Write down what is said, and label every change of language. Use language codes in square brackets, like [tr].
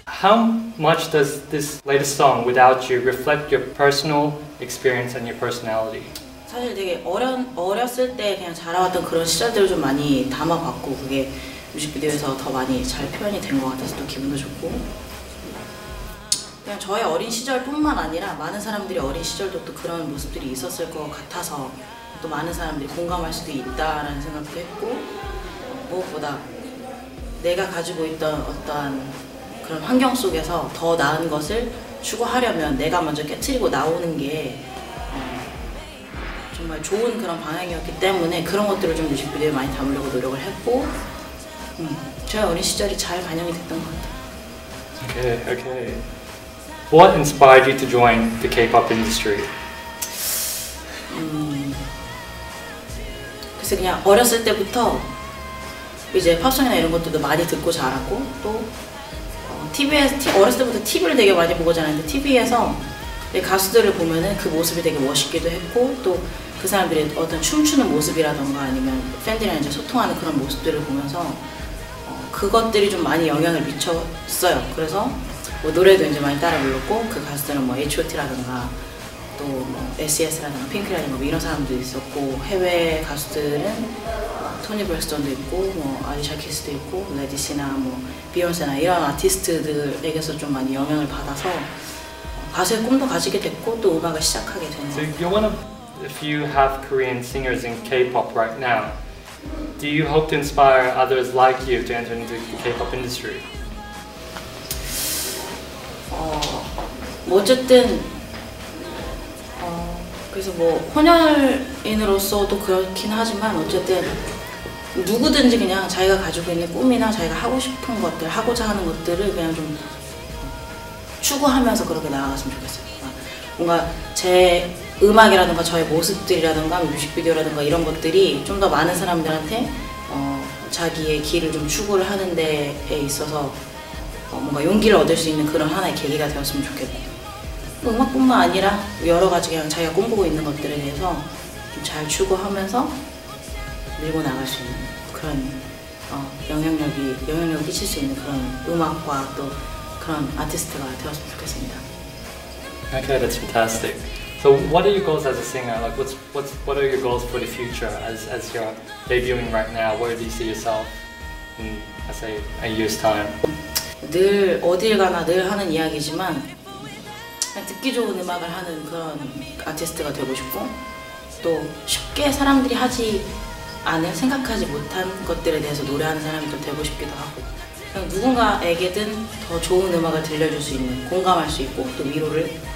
[en] How much does this latest song, Without You, reflect your personal experience and your personality? [ko] 사실 되게 어렸을 때 그냥 자라왔던 그런 시절들을 좀 많이 담아봤고 그게 뮤직비디오에서 더 많이 잘 표현이 된 것 같아서 또 기분도 좋고 그냥 저의 어린 시절뿐만 아니라 많은 사람들이 어린 시절도 또 그런 모습들이 있었을 것 같아서 또 많은 사람들이 공감할 수도 있다라는 생각도 했고 무엇보다 내가 가지고 있던 어떠한 그런 환경 속에서 더 나은 것을 추구하려면 내가 먼저 깨트리고 나오는 게 정말 좋은 그런 방향이었기 때문에 그런 것들을 좀 뮤직비디오에 많이 담으려고 노력을 했고 저의 어린 시절이 잘 반영이 됐던 것 같아요. [en] Okay, okay. What inspired you to join the K-pop industry? [ko] 글쎄 그냥 어렸을 때부터 이제 팝송이나 이런 것들도 많이 듣고 자랐고 또 어렸을 때부터 TV를 되게 많이 보고 자랐는데 TV에서 가수들을 보면은 그 모습이 되게 멋있기도 했고 또 그 사람들의 어떤 춤추는 모습이라던가 아니면 팬들이랑 이제 소통하는 그런 모습들을 보면서 그것들이 좀 많이 영향을 미쳤어요. 그래서 뭐 노래도 이제 많이 따라 불렀고 그 가수들은 뭐 H.O.T라던가 또 뭐 S.E.S라던가 핑크라던가 뭐 이런 사람도 있었고 해외 가수들은 토니 브렉스톤도 있고 뭐 아리샤 키스도 있고 레디시나 뭐 비욘세나 이런 아티스트들에게서 좀 많이 영향을 받아서 가수의 꿈도 가지게 됐고 또 음악을 시작하게 된 것 같아요. [en] If you have Korean singers in K-pop right now, do you hope to inspire others like you to enter into the K-pop industry? [ko] 어쨌든 그래서 뭐 혼혈인으로서도 그렇긴 하지만 어쨌든 누구든지 그냥 자기가 가지고 있는 꿈이나 자기가 하고 싶은 것들, 하고자 하는 것들을 그냥 좀 추구하면서 그렇게 나아갔으면 좋겠어요. 뭔가 제 음악이라든가 저의 모습들이라든가 뮤직비디오라든가 이런 것들이 좀 더 많은 사람들한테 자기의 길을 좀 추구를 하는 데에 있어서 뭔가 용기를 얻을 수 있는 그런 하나의 계기가 되었으면 좋겠고 음악뿐만 아니라 여러 가지 그냥 자기가 꿈꾸고 있는 것들에 대해서 좀 잘 추구하면서 밀고 나갈 수 있는 그런 영향력을 끼칠 수 있는 그런 음악과 또 그런 아티스트가 되었으면 좋겠습니다. [en] Okay, that's fantastic. So what are your goals as a singer? Like what are your goals for the future as you're debuting right now? Where do you see yourself in, I say, a year's time? [ko] 늘 어딜 가나 늘 하는 이야기지만 듣기 좋은 음악을 하는 그런 아티스트가 되고 싶고 또 쉽게 사람들이 하지 않을 생각하지 못한 것들에 대해서 노래하는 사람이 또 되고 싶기도 하고 그냥 누군가에게든 더 좋은 음악을 들려줄 수 있는 공감할 수 있고 또 위로를